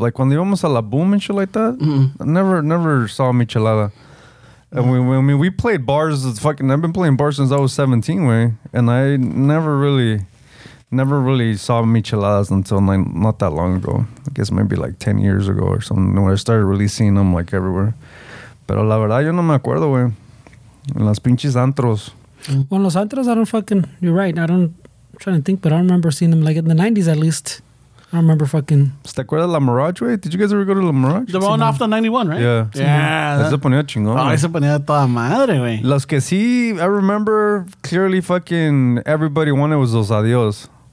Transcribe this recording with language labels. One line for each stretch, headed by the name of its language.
English: Like when they almost a la boom and shit like that. Mm-hmm. I never saw michelada. And we played bars. I've been playing bars since I was 17, way. And I never really saw micheladas until not that long ago. I guess maybe like 10 years ago or something, where I started really seeing them like everywhere.
Spanish: Pero la verdad, yo no me acuerdo, güey. En las pinches antros.
English: Well, los antros, I don't fucking... You're right. I'm trying to think, but I don't remember seeing them. Like, in the 90s, at least. I don't remember fucking...
Spanish: ¿Te acuerdas de La Mirage, güey?
English: Did you guys ever go to La Mirage? The one off the 91, right?
Spanish: Yeah. Ahí se ponía chingón. Ahí se ponía toda madre, güey. Los que sí,
English: I remember clearly fucking everybody wanted was Los Adios.